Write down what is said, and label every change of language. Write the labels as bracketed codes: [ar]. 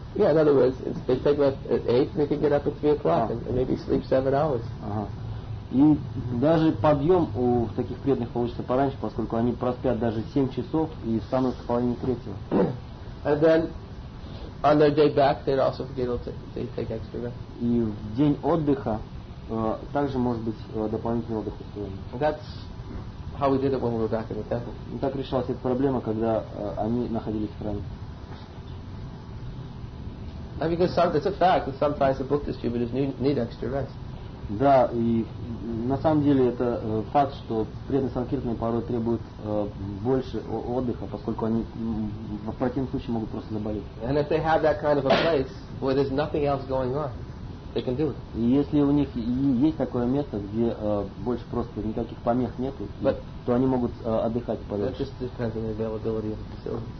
[en] Yeah, in other words, they take rest at 8, they could get up at 3 o'clock and maybe sleep 7 hours. [ru] И даже подъем у таких преданных получится пораньше, поскольку они проспят даже 7 часов и встанут к 2:30. [en] And then on their day back, they'd also be able to take extra rest. [ru] И в день отдыха также может быть дополнительный отдых устроен. [en] How we did it when we were back in the temple. [ru] Так решалась эта проблема, когда они находились в храме. [en] And because it's a fact that sometimes the book distributors need extra rest. [ru] Да, и на самом деле это факт, что преданные санкиртаны порой требуют больше отдыха, поскольку они в противном случае могут просто заболеть. [en] And if they have that kind of a place where there's nothing else going on, they can do it. [ru] И если у них есть такое место, где больше просто никаких помех нету, то они могут отдыхать подольше. [en] It just depends on the availability of the facilities.